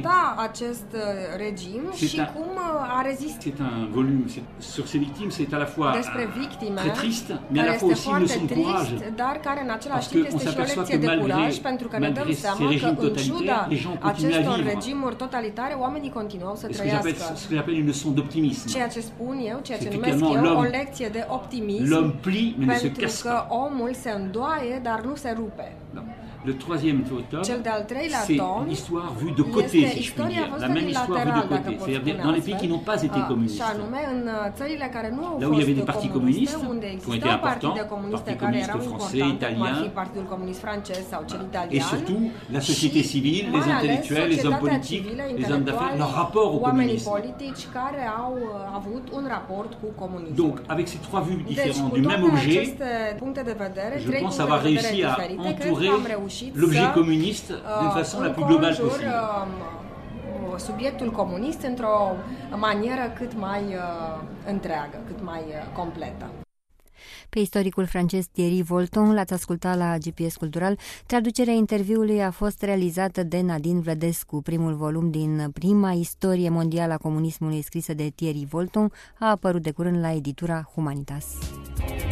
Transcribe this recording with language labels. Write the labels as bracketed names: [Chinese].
[Romanian] Așa cum ea suporta acest regim și cum a rezistat. [French] C'est un volume, c'est sur ces victimes, c'est à la fois très triste, mais à la fois aussi une leçon de courage. [Romanian] Dar care în același timp este și o lecție de curaj, pentru că ne dăm seama că în ciuda acestor regimuri totalitare, oamenii continuau să trăiască. Ceea ce spun eu, ceea ce numesc eu, o lecție de optimism, pentru că omul se îndoaie, dar nu se rupe. [French] Le troisième tome, [Romanian] cel de-al treilea tom, [French] c'est l'histoire vue de côté, si je puis dire. La même histoire vue de côté. C'est-à-dire dans les pays qui n'ont pas été communistes. [Romanian] Anume, în țările care nu au [French] là où il y avait des partis communistes, [Romanian] unde [French] qui ont été importants, partis communistes français, italiens, [Romanian] Partidul Comunist Francez sau cel italian, [French] et surtout la société civile, les intellectuels, les hommes politiques, les hommes d'affaires, leur rapport au communisme. [Romanian] Politici care au avut un raport cu comunismul. [French] Donc, avec ces trois vues différentes du même objet, je pense avoir réussi à entourer l'objet communiste d'une façon la plus globale possible. [Romanian] Subiectul comunist într-o manieră cât mai întreagă, cât mai completă. Pe istoricul francez Thierry Volton l-ați ascultat la GPS Cultural. Traducerea interviului a fost realizată de Nadine Vlădescu. Primul volum din prima istorie mondială a comunismului scrisă de Thierry Volton a apărut de curând la editura Humanitas.